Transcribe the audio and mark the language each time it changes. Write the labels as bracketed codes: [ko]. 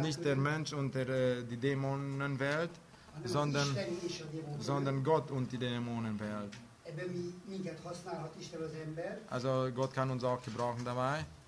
[de] Nicht der Mensch und der die Dämonenwelt, sondern Gott und die Dämonenwelt. [hu] Ebben minket használhat Isten az ember. [de] Also Gott kann uns auch gebrauchen dabei.